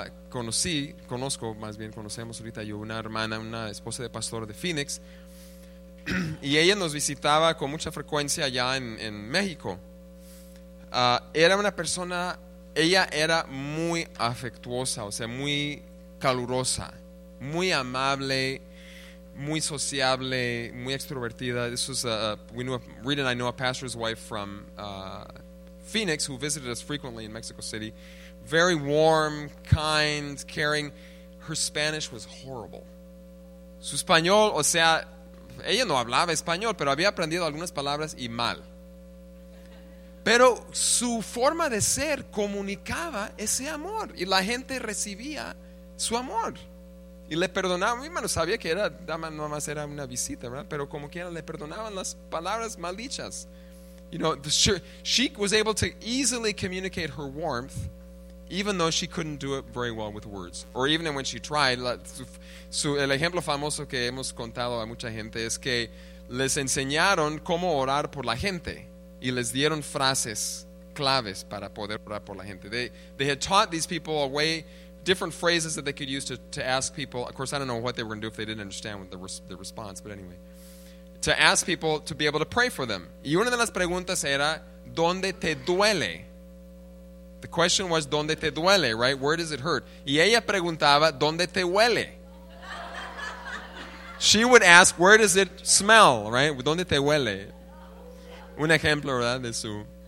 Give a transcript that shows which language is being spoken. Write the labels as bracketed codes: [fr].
[es] Conocemos ahorita yo una hermana, una esposa de pastor de Phoenix, y ella nos visitaba con mucha frecuencia allá en México. Era una persona, ella era muy afectuosa, o sea, muy calurosa, muy amable, muy sociable, muy extrovertida. [en] This was Reed and I know a pastor's wife from Phoenix who visited us frequently in Mexico City. Very warm, kind, caring. Her Spanish was horrible. [es] Su español, o sea, ella no hablaba español, pero había aprendido algunas palabras y mal. Pero su forma de ser comunicaba ese amor y la gente recibía su amor y le perdonaban. Mi hermano sabía que era dama, no más era una visita, ¿verdad? Pero como quiera le perdonaban las palabras mal dichas. [en] You know, she was able to easily communicate her warmth, even though she couldn't do it very well with words, or even when she tried. [es] El ejemplo famoso que hemos contado a mucha gente es que les enseñaron cómo orar por la gente y les dieron frases claves para poder orar por la gente. [en] They had taught these people a way, different phrases that they could use to ask people. Of course, I don't know what they were going to do if they didn't understand the response, but anyway, to ask people to be able to pray for them. [es] Y una de las preguntas era, ¿dónde te duele? [en] The question was, [es] ¿dónde te duele? [en] Right? Where does it hurt? [es] Y ella preguntaba, ¿dónde te huele? [en] She would ask, where does it smell? Right? [es] ¿Dónde te huele? Un ejemplo, ¿verdad? De su...